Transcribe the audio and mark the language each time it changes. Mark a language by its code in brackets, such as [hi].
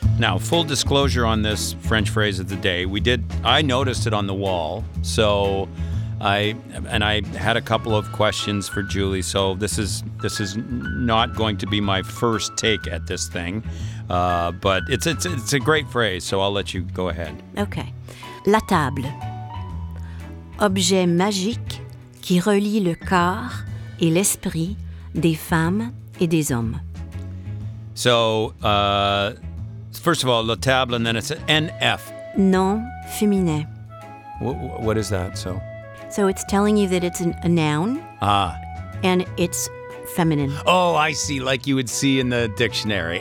[en] Now, full disclosure on this French phrase of the day. I noticed it on the wall. So I had a couple of questions for Julie. So this is not going to be my first take at this thing. But it's a great phrase, so I'll let you go ahead. [fr] Okay. La table. Objet magique qui relie le corps et l'esprit des femmes et des hommes. [en] So, first of all, [fr] la table, [en] and then it's NF. [fr] Nom féminin. [en] What is that? So it's telling you that it's a noun. Ah. And it's feminine. Oh, I see. Like you would see in the dictionary.